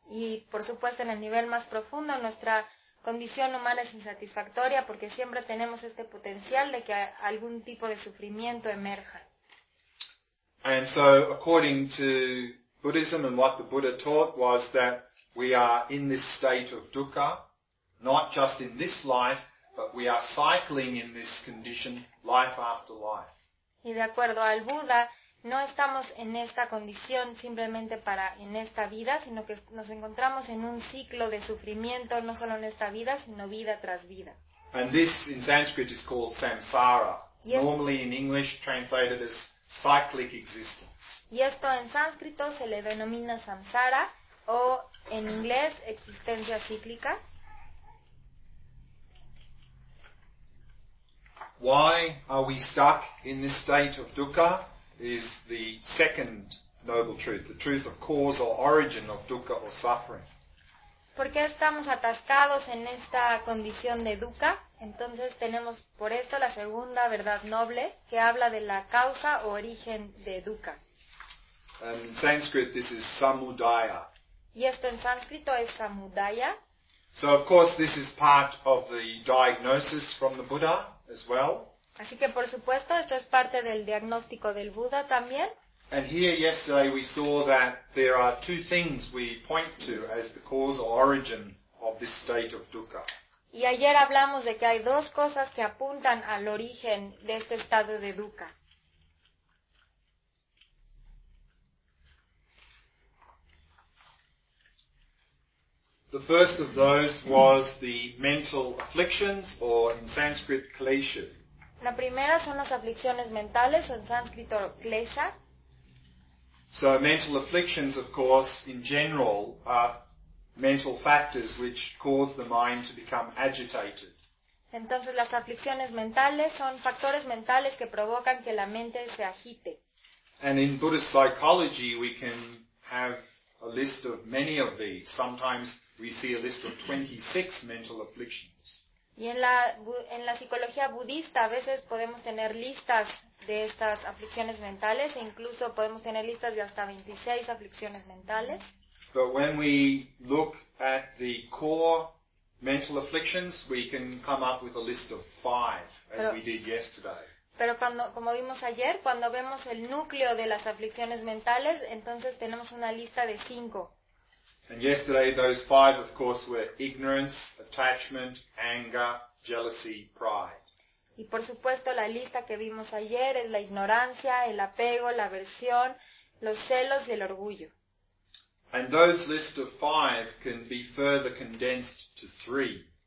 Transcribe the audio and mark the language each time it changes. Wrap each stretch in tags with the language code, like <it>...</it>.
<es>Y por supuesto, en el nivel más profundo, nuestra condición humana es insatisfactoria porque siempre tenemos este potencial de que algún tipo de sufrimiento emerja.</es> <en>And so, according to Buddhism and what the Buddha taught was that we are in this state of dukkha, not just in this life, but we are cycling in this condition life after life.</en> <es>Y de acuerdo al Buda, no estamos en esta condición simplemente para en esta vida, sino que nos encontramos en un ciclo de sufrimiento, no solo en esta vida, sino vida tras vida.</es> <en>And this in Sanskrit is called samsara, normally in English translated as cyclic existence.</en> <es>Y esto en sánscrito se le denomina samsara, o en inglés, existencia cíclica.</es> <en>Why are we stuck in this state of dukkha is the second noble truth, the truth of cause or origin of dukkha or suffering.</en> <es>¿Por qué estamos atascados en esta condición de dukkha? Entonces tenemos por esto la segunda verdad noble que habla de la causa o origen de dukkha.</es> <en>In Sanskrit, this is samudaya.</en> <es>Y esto en sánscrito es samudaya.</es> <en>So of course this is part of the diagnosis from the Buddha as well.</en> <es>Así que por supuesto esto es parte del diagnóstico del Buda también.</es> <en>And here yesterday we saw that there are two things we point to as the cause or origin of this state of dukkha.</en> <es>Y ayer hablamos de que hay dos cosas que apuntan al origen de este estado de dukkha.</es> <en>The first of those was the mental afflictions, or in Sanskrit, klesha.</en> <es>La primera son las aflicciones mentales, en sánscrito, klesha.</es> <en>So mental afflictions, of course, in general, are mental factors which cause the mind to become agitated.</en> <es>Entonces las aflicciones mentales son factores mentales que provocan que la mente se agite.</es> <en>And in Buddhist psychology, we can have a list of many of these. Sometimes we see a list of 26 mental afflictions.</en> <es>Y en la psicología budista a veces podemos tener listas de estas aflicciones mentales, e incluso podemos tener listas de hasta 26 aflicciones mentales.</es> <en>But when we look at the core mental afflictions, we can come up with a list of 5, as we did yesterday.</en> <es>Pero cuando, como vimos ayer, cuando vemos el núcleo de las aflicciones mentales, entonces tenemos una lista de 5.</es> <en>And yesterday those 5, of course, were ignorance, attachment, anger, jealousy, pride.</en> <es>Y por supuesto la lista que vimos ayer es la ignorancia, el apego, la aversión, los celos y el orgullo.</es> <en>And those list of 5 can be further condensed to 3.</en>